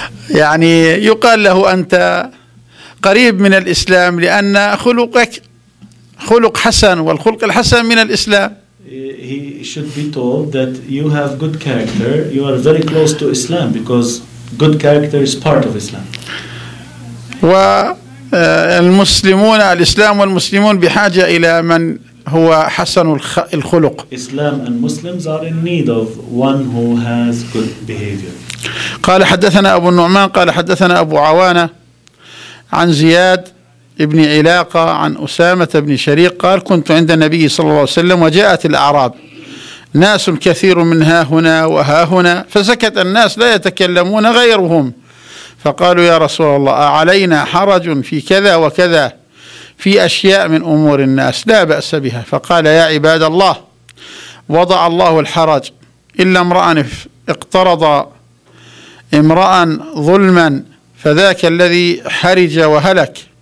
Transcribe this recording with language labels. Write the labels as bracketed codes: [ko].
[ar] يعني يقال له أنت قريب من الإسلام لأن خلقك خلق حسن والخلق الحسن من الإسلام. [en] He should be told that you have good character, you are very close to Islam because good character is part of Islam. [ar] والمسلمون الإسلام والمسلمون بحاجة إلى من هو حسن الخلق. [en] Islam and Muslims are in need of one who has good behavior. [ar] قال حدثنا أبو النعمان قال حدثنا أبو عوانة عن زياد ابن علاقة عن أسامة بن شريق قال كنت عند النبي صلى الله عليه وسلم وجاءت الأعراب ناس كثير منها هنا وها هنا فسكت الناس لا يتكلمون غيرهم فقالوا يا رسول الله علينا حرج في كذا وكذا في أشياء من أمور الناس لا بأس بها فقال يا عباد الله وضع الله الحرج إلا امرأ اقترض امرأ ظلما فذاك الذي حرج وهلك